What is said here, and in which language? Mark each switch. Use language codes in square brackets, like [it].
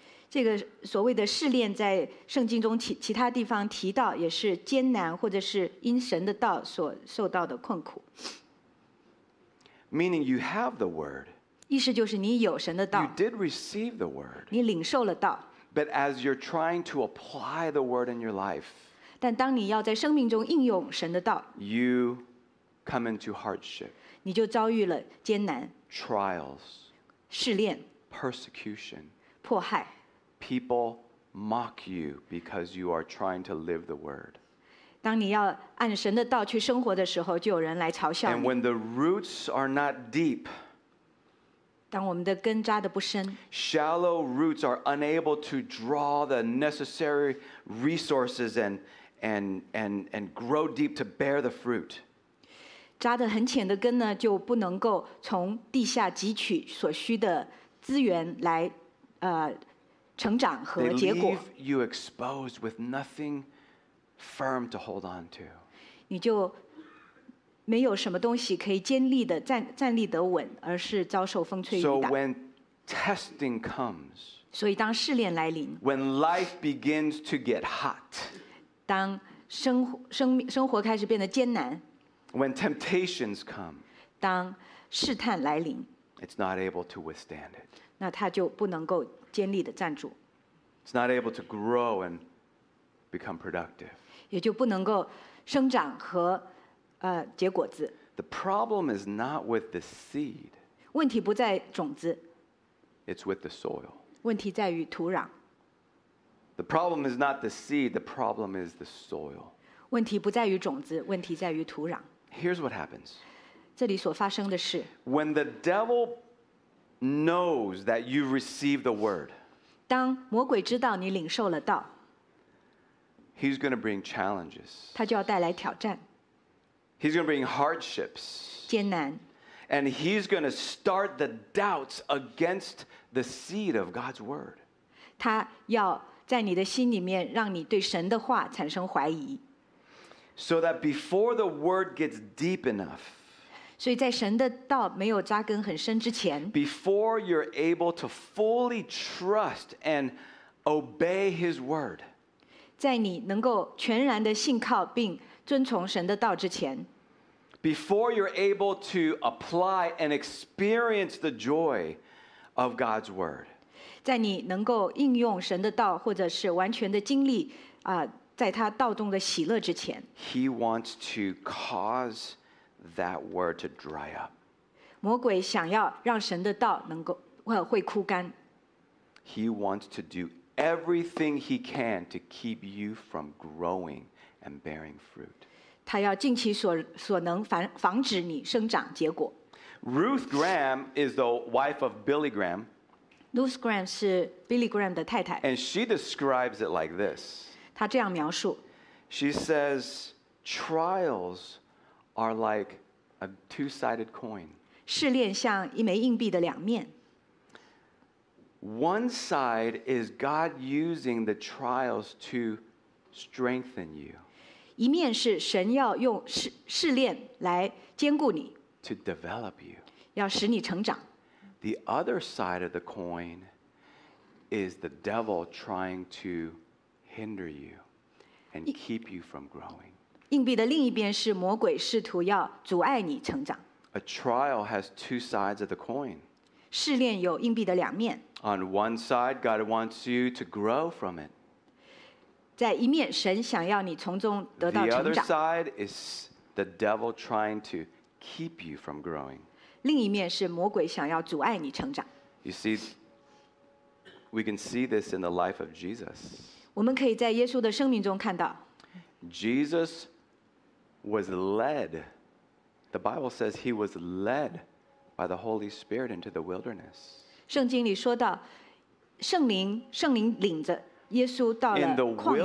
[zh] 这个所谓的试炼在圣经中其他地方提到也是艰难或者是因神的道所受到的困苦。 [en] Meaning you have the word. [zh] 意思就是你有神的道。 [en] You did receive the word. [zh] 你领受了道。 [en] But as you're trying to apply the word in your life, [zh] 但当你要在生命中应用神的道， [en] you come into hardship, [zh] 你就遭遇了艰难， [en] trials, [zh] 试炼， [en] persecution, [zh] 迫害， [en] people mock you because you are trying to live the word. [zh] 当你要按神的道去生活的时候，就有人来嘲笑你。 [en] And when the roots are not deep, [zh] 当我们的根扎的不深， [en] shallow roots are unable to draw the necessary resources and grow deep to bear the fruit. [zh] 扎得很浅的根呢，就不能够从地下汲取所需的资源来成长和结果。 [en] They leave you exposed with nothing firm to hold on to. [zh] 你就没有什么东西可以坚立的站立得稳，而是遭受风吹雨打。 [en] So when testing comes, [zh] 所以当试炼来临， [en] when life begins to get hot, [zh] 当生活开始变得艰难， [en] when temptations come, [zh] 当试探来临， [en] it's not able to withstand it. [zh] 那它就不能够坚立的站住。 [en] It's not able to grow and become productive. [zh] 也就不能够生长和结果子。 [en] The problem is not with the seed. [zh] 问题不在种子。 [en] It's with the soil. [zh] 问题在于土壤。 [en] The problem is not the seed. The problem is the soil. [zh] 问题不在于种子，问题在于土壤。 [en] Here's what happens. [zh] 这里所发生的事。 [en] When the devil knows that you receive the word. [zh] 当魔鬼知道你领受了道。 [en] He's going to bring challenges. [zh] 他就要带来挑战。 [en] He's going to bring hardships. [zh] 艰难。 [en] And he's going to start the doubts against the seed of God's word. [zh] 他要在你的心里面让你对神的话产生怀疑。 [en] So that before the word gets deep enough, [zh] 所以在神的道没有扎根很深之前， [en] before you're able to fully trust and obey his word, [zh] 在你能够全然的信靠并遵从神的道之前， [en] before you're able to apply and experience the joy of God's word, [zh] 在你能够应用神的道或者是完全的经历在他道中的喜乐之前， [en] he wants to cause that word to dry up. [zh] 魔鬼想要让神的道能够会枯干。 [en] He wants to do everything he can to keep you from growing and bearing fruit. [zh] 他要尽其所能防止你生长结果。 [en] Ruth Graham is the wife of Billy Graham. [zh] Ruth Graham 是 Billy Graham 的太太。 [en] And she describes it like this. [zh] 她这样描述。 [en] She says, trials are like a two-sided coin. [zh] 试炼像一枚硬币的两面。 [en] One side is God using the trials to strengthen you. [zh] 一面是神要用试炼来坚固你。 [en] To develop you. [zh] 要使你成长。 [en] The other side of the coin is the devil trying to hinder you and keep you from growing. [zh] 硬币的另一边是魔鬼试图要阻碍你成长。 [en] A trial has two sides of the coin. [zh] 试炼有硬币的两面。 [en] On one side, God wants you to grow from it. [zh] 在一面，神想要你从中得到成长。 [en] The other side is the devil trying to keep you from growing. [zh] 另一面是魔鬼想要阻碍你成长。 [en] You see, we can see this in the life of Jesus. [zh] 我们可以在耶稣的生命中看到。 [en] Jesus was led. The Bible says he was led by the Holy Spirit into the wilderness. [zh] 圣经里说到，圣灵领着耶稣到了旷野。